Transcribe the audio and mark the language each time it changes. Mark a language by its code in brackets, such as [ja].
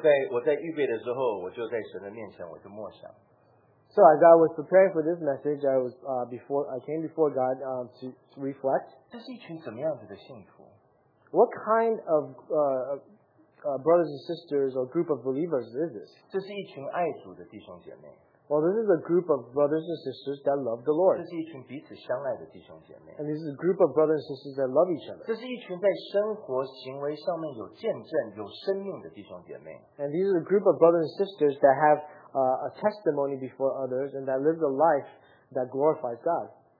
[zh] 那我就在预备的时候，我就在神的面前，我就默想。 [en] So as I was preparing for this message, I was before God to reflect. [zh] 这是一群怎么样子的信徒? [en] What kind of brothers and sisters or group of believers is this? [zh] 这是一群爱主的弟兄姐妹。 [en] Well, this is a group of brothers and sisters that love the Lord. [zh] 这是一群彼此相爱的弟兄姐妹。 [en] And this is a group of brothers and sisters that love each other. [zh] 这是一群在生活行为上面有见证、有生命的弟兄姐妹。 [en] And these are a group of brothers and sisters that have a testimony before others and that live a life that glorifies God.